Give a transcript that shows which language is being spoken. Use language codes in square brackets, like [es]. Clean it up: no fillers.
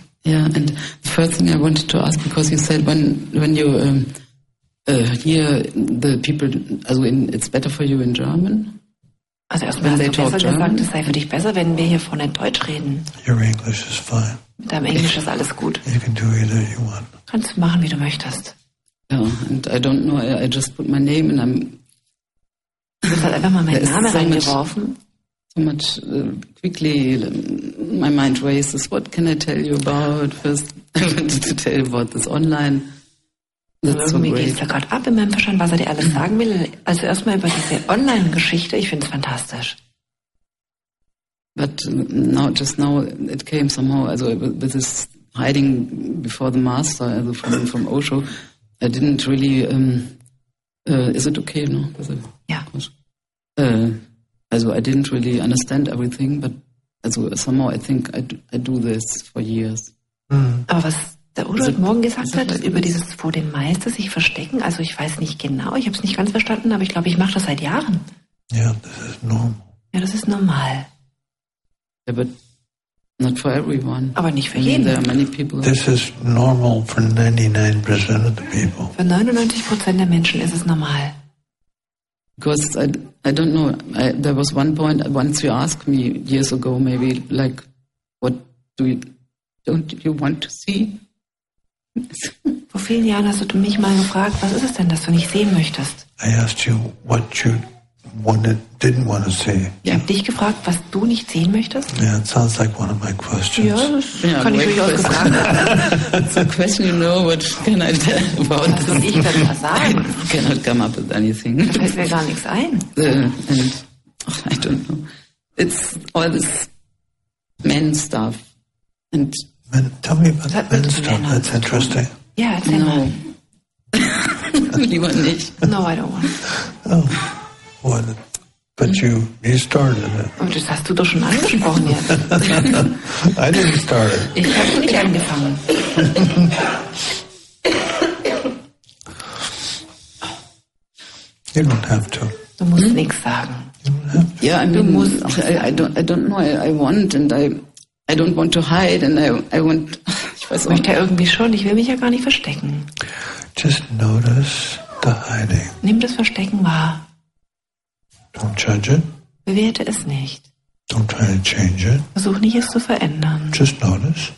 [en] Yeah, and the first thing I wanted to ask, because you said when you hear the people, also in, it's better for you in German. [de] Also erstmal hast du besser gesagt, es sei für dich besser, wenn wir hier vorne Deutsch reden. [en] Your English is fine. [de] Mit deinem Englisch ist alles gut. [en] You can do either you want. [de] Kannst du machen, wie du möchtest. [en] Yeah, and I don't know, I just put my name and I'm... [de] Du hast einfach mal meinen Namen reingeworfen. [en] So much quickly, my mind races. What can I tell you about? First, I wanted to tell you about this online. That's so great. [de] Geht's da gerade ab in meinem Verstand, was er dir alles sagen will. Also erstmal über diese Online-Geschichte. Ich find's fantastisch. [en] But now, just now, it came somehow. Also with this hiding before the master, also from Osho, I didn't really. Is it okay? No. [de] Ja. [en] Also I didn't really understand everything, but also somehow I think I do this for years. Mm. [de] Aber was der Udo heute Morgen gesagt hat, über dieses vor dem Meister sich verstecken, also ich weiß nicht genau, ich habe es nicht ganz verstanden, aber ich glaube, ich mache das seit Jahren. Ja, yeah, das ist normal. Ja, das ist normal. [en] Yeah, but not for everyone. [de] Aber nicht für jeden. [en] There are many people. This is normal for 99% of the people. [de] Für 99% der Menschen ist es normal. [en] Because I don't know, there was one point, once you asked me years ago, maybe, like, what do you, don't you want to see? [de] Vor vielen Jahren hast du mich mal gefragt, was ist es denn, dass du nicht sehen möchtest? [en] I asked you what you wanted, didn't want to see. [de] Ich habe dich gefragt, was du nicht sehen möchtest? [en] Yeah, it sounds like one of my questions. [de] Ja, das kann ich durchaus sagen. [en] It's a question, you know, what can I tell about this? [de] Was ich dann sagen? [en] I cannot come up with anything. [de] Da fällt mir gar nichts ein. [en] I don't know. It's all this men stuff. And men, tell me about the men stuff. That's interesting. Yeah, it's no. [de] Lieber nicht. [en] No, I don't want. Oh. But you started it. [de] Aber das hast du doch schon angesprochen jetzt. [en] I didn't start it. [de] Ich habe nicht angefangen. [en] You don't have to. [de] Du musst nichts sagen. [en] Yeah, I mean, [de] du musst. [en] I don't know, I want, and I don't want to hide. [de] Ich weiß auch. Ich möchte irgendwie schon, ich will mich ja gar nicht verstecken. [en] Just notice the hiding. [de] Nimm das Verstecken wahr. [en] Don't judge it. [de] Bewerte es nicht. [en] Don't try to change it. [de] Versuch nicht, es zu verändern. [en] Just notice.